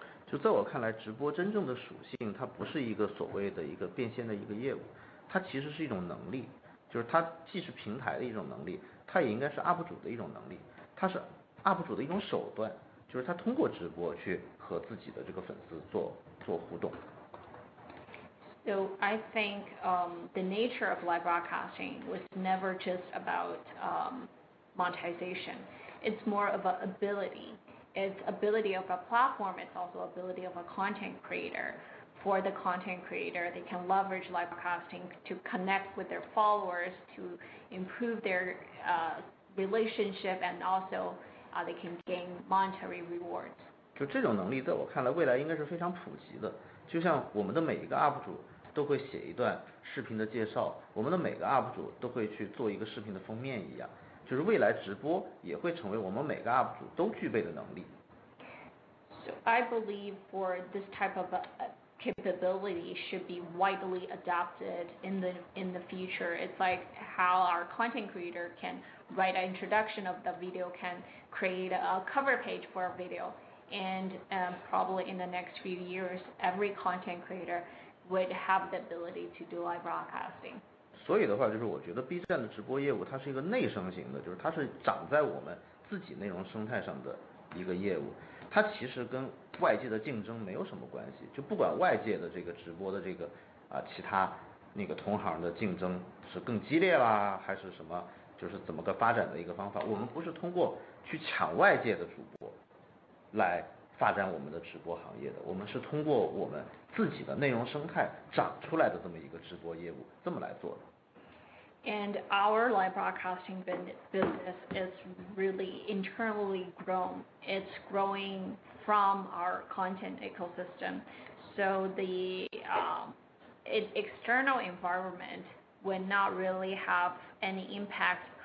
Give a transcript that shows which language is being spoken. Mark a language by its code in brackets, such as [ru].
[zh] 就在我看来，直播真正的属性，它不是一个所谓的一个变现的一个业务，它其实是一种能力，就是它既是平台的一种能力，它也应该是 UP 主的一种能力，它是 UP 主的一种手段，就是它通过直播去和自己的这个粉丝做互动。 [en] So I think the nature of live broadcasting was never just about monetization. It's more of an ability. It's ability of a platform, it's also ability of a content creator. For the content creator, they can leverage live broadcasting to connect with their followers, to improve their relationship, and also they can gain monetary rewards. [zh] 就这种能力在我看来未来应该是非常普及的。就像我们的每一个 UP 主都会写一段视频的介绍，我们的每个 UP 主都会去做一个视频的封面一样。就是未来直播也会成为我们每个 UP 主都具备的能力。 [en] So I believe for this type of capability should be widely adopted in the future. It's like how our content creator can write an introduction of the video, can create a cover page for a video, and probably in the next few years, every content creator would have the ability to do live broadcasting. [zh] 所以的话，就是我觉得 B 站的直播业务它是一个内生型的，就是它是长在我们自己内容生态上的一个业务，它其实跟外界的竞争没有什么关系。就不管外界的这个直播的这个其他那个同行的竞争是更激烈啦，还是什么，就是怎么个发展的一个方法，我们不是通过去抢外界的主播来发展我们的直播行业的，我们是通过我们自己的内容生态长出来的这么一个直播业务这么来做的。 [en] And our live broadcasting business is really internally grown. It's growing from our content ecosystem. So the external environment would not really have any impact.